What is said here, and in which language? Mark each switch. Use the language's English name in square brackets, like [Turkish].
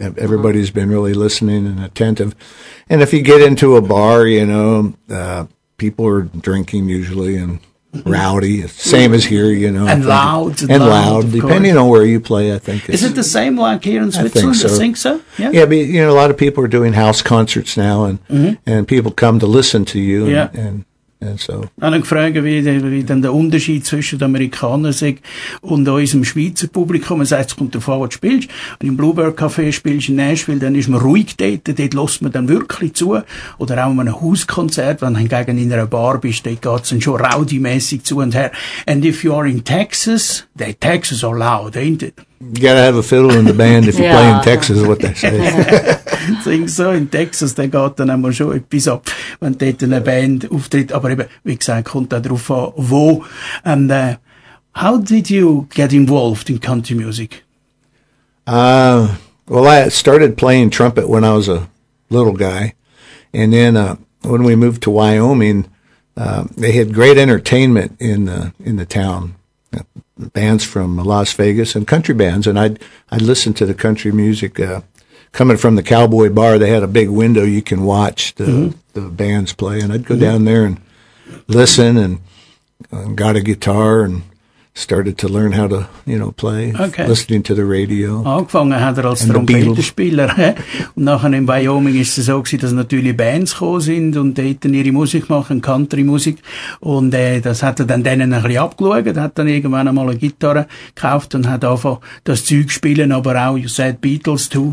[English] Everybody's been really listening and attentive. And if you get into a bar, you know, people are drinking usually and rowdy. Same as here, you know. And loud, depending on where you play, I think. Is it the same like here in Switzerland? I think so. Yeah. Yeah, but, you know, a lot of people are doing house concerts now, and and people come to listen to you. Yeah. [German] Und so. Ich frage, wie denn der Unterschied zwischen den Amerikanern sei und unserem Schweizer Publikum. Man sagt, es kommt davon, was du spielst. Wenn du im Bluebird Café spielst in Nashville, dann ist man ruhig dort. Dort lässt man dann wirklich zu. Oder auch in einem Hauskonzert, wenn du hingegen in einer Bar bist, dort geht es dann schon rowdy-mäßig zu und her. [English] And if you are in Texas, the Texas are loud, ain't it? You gotta have a fiddle in the band if you play in Texas, what they say. [German] Sing so, in Texas, da geht dann immer schon etwas ab, wenn dort eine Band auftritt. Aber eben, wie gesagt, kommt da drauf an, wo. [English] And how did you get involved in country music? Well, I started playing trumpet when I was a little guy. And then when we moved to Wyoming, they had great entertainment in the town. Bands from Las Vegas and country bands. And I'd listen to the country music. Coming from the cowboy bar, they had a big window you can watch the bands play. And I'd go down there and listen and got a guitar and started to learn how to, you know, play. Okay. Listening to the radio. [German] Angefangen hat als Trompetenspieler. Und nachher in Wyoming ist es so gewesen, dass natürlich Bands gekommen sind und dort ihre Musik machen, Country-Musik. Und das hat er dann denen ein bisschen abgeschaut, hat dann irgendwann einmal eine Gitarre gekauft und hat angefangen, das Zeug spielen, aber auch, [English] you said, Beatles too.